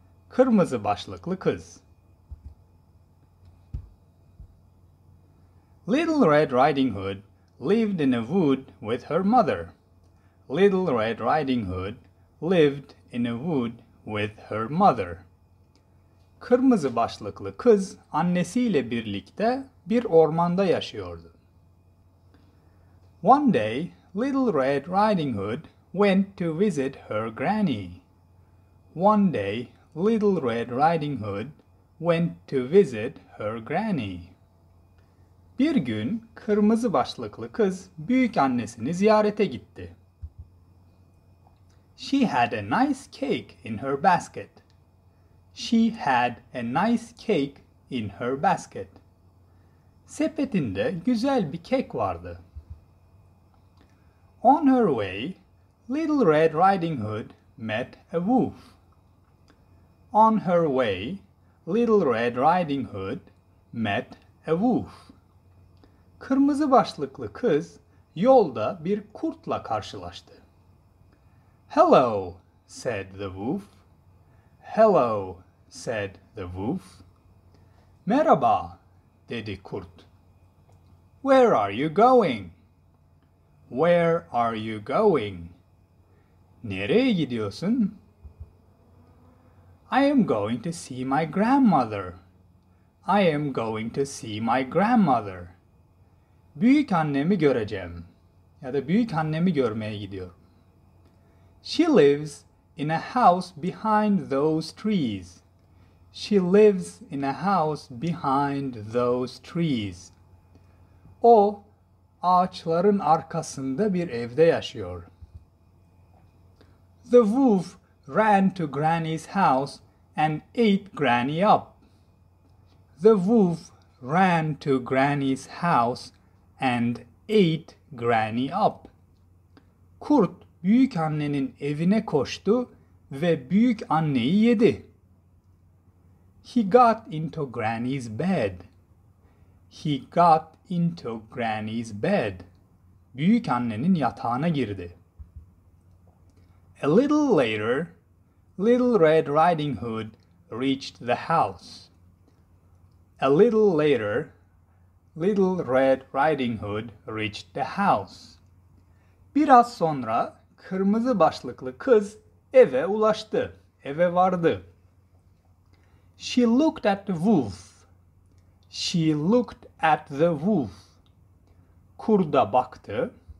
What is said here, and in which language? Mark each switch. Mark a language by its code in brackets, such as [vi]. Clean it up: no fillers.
[tr] 그르무즈 başlıklı kız. [en] Little Red Riding Hood lived in a wood with her mother. Little Red Riding Hood lived in a wood with her mother. [tr] 그르무즈 başlıklı kız annesiyle birlikte bir ormanda yaşıyordu. [en] One day, Little Red Riding Hood went to visit her granny. One day, Little Red Riding Hood went to visit her granny. [tr] Bir gün kırmızı başlıklı kız büyük annesini ziyarete gitti. [en] She had a nice cake in her basket. She had a nice cake in her basket. [tr] Sepetinde güzel bir kek vardı. [en] On her way, Little Red Riding Hood met a wolf. On her way, Little Red Riding Hood met a wolf. [tr] Kırmızı başlıklı kız yolda bir kurtla karşılaştı. [en] Hello, said the wolf. Hello, said the wolf. [tr] Merhaba, dedi kurt. [en] Where are you going? Where are you going? [tr] Nereye gidiyorsun? [en] I am going to see my grandmother. I am going to see my grandmother. [tr] Büyük annemi göreceğim. Ya da büyük annemi görmeye gidiyorum. [en] She lives in a house behind those trees. She lives in a house behind those trees. [tr] O ağaçların arkasında bir evde yaşıyor. [en] The wolf ran to Granny's house and ate Granny up. The wolf ran to Granny's house and ate Granny up. [tr] Kurt büyük annenin evine koştu ve büyük anneyi yedi. [en] He got into Granny's bed. He got into Granny's bed. [tr] Büyük annenin yatağına girdi. [en] A little later, Little Red Riding Hood reached the house. A little later, Little Red Riding Hood reached the house. [tr] Biraz sonra kırmızı başlıklı kız eve ulaştı. Eve vardı. [en] She looked at the wolf. She looked at the wolf. [tr] Kurda baktı.